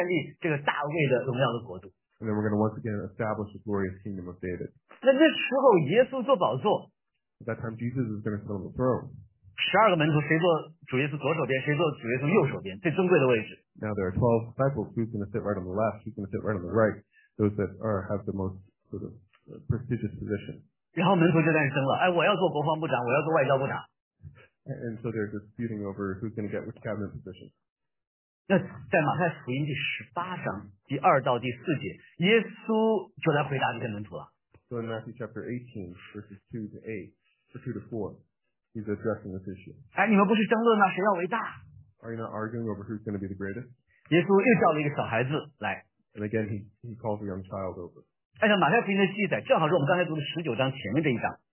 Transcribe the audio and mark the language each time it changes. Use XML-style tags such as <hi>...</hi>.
<zh>然后呢，我们来恢复建立这个大卫的荣耀的国度。</zh> <en>And then we're going to once again establish the glorious kingdom of David.</en> <zh>那时候耶稣坐宝座。</zh> <en>That time Jesus is going to sit on the throne.</en> <zh>十二个门徒，谁坐主耶稣左手边，谁坐主耶稣右手边，最尊贵的位置。</zh> <en>Now there are 12 disciples. Who's going to sit right on the left? Who's going to sit right on the right? Those that are have the most sort of prestigious position.</en> <zh>然后门徒就在那争了，哎，我要做国防部长，我要做外交部长。</zh> <en>And so they're disputing over who's going to get which cabinet position.</en> <zh>那在马太福音第18章第2到第4节，耶稣就来回答这些门徒了。</zh> <en>So in Matthew chapter 18, verses 2 to 8, or 2 to 4. He's addressing this issue.</en> <zh>哎，你们不是争论吗？谁要伟大？</zh> <en>Are you not arguing over who's going to be the greatest?</en> <zh>耶稣又叫了一个小孩子来。</zh> <en>And again, he calls a young child over.</en> <zh>按照马太福音的记载，正好是我们刚才读的19章前面这一章。</zh>